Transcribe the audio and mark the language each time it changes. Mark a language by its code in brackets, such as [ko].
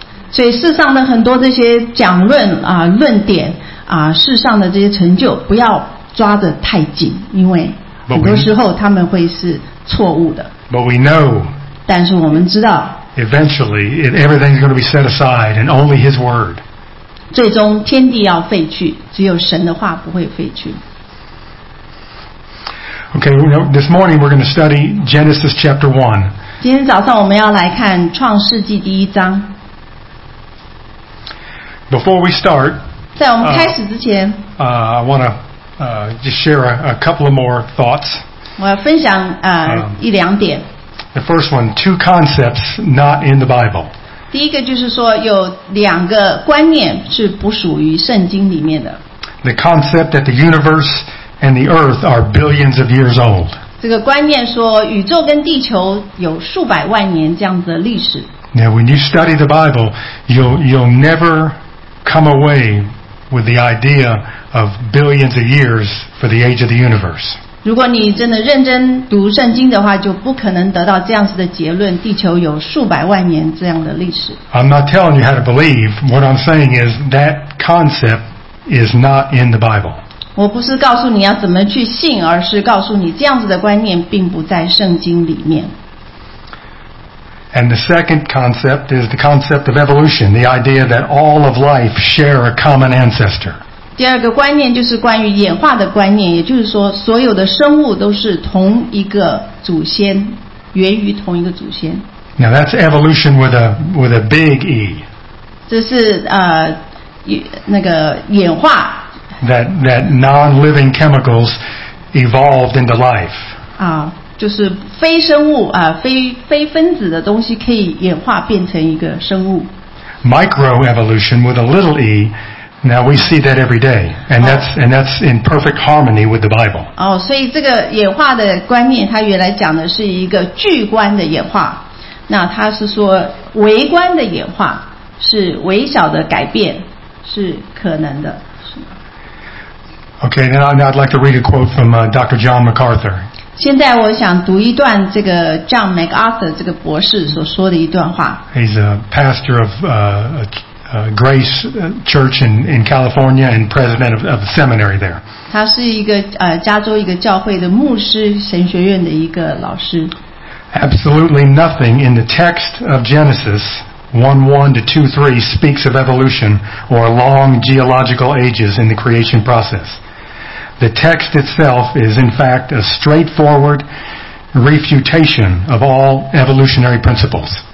[zh] 所以世上的很多这些讲论啊、论点啊、世上的这些成就，不要抓得太紧，因为很多时候他们会是错误的。 [en] But we know. [zh] 但是我们知道。 [en] Eventually, everything's going to be set aside, and only His word. [zh] 最终天地要废去，只有神的话不会废去。 [en] Okay, you know, this morning we're going to study Genesis chapter 1. [zh] 今天早上我们要来看创世纪第一章。 [en] Before we start, [zh] 在我们开始之前， [en] I want to just share a couple of more thoughts. [zh] 我要分享一两点。 [en] The first one, two concepts not in the Bible. [zh] 第一个就是说有两个观念是不属于圣经里面的。 [en] The concept that the universe and the earth are billions of years old. [zh] 这个观念说宇宙跟地球有数百万年这样子的历史。 [en] Now, when you study the Bible, you'll never come away with the idea of billions of years for the age of the universe. [zh] 如果你真的认真读圣经的话，就不可能得到这样子的结论，地球有数百万年这样的历史。 [en] I'm not telling you how to believe. What I'm saying is that concept is not in the Bible. [zh] 我不是告诉你要怎么去信，而是告诉你这样子的观念并不在圣经里面。 [en] And the second concept is the concept of evolution, the idea that all of life share a common ancestor. [zh] 第二个观念就是关于演化的观念，也就是说所有的生物都是同一个祖先，源于同一个祖先。 [en] Now that's evolution with a big E. [zh] 这是那个演化。 [en] That non-living chemicals evolved into life. 啊。 [zh] 就是非生物啊，非分子的东西可以演化变成一个生物。 [en] Microevolution with a little e. Now we see that every day, and that's in perfect harmony with the Bible. [zh] 哦，所以这个演化的观念，它原来讲的是一个巨观的演化。那它是说微观的演化是微小的改变是可能的。 [en] Okay, then I'd like to read a quote from Dr. John MacArthur. [zh] 现在我想读一段这个 John MacArthur 这个博士所说的一段话。 [en] He's a pastor of Grace Church in California and president of the seminary there. [zh] 他是一个加州一个教会的牧师，神学院的一个老师。 [en] Absolutely nothing in the text of Genesis 1:1-2:3 speaks of evolution or long geological ages in the creation process. The text itself is, in fact, a straightforward refutation of all evolutionary principles.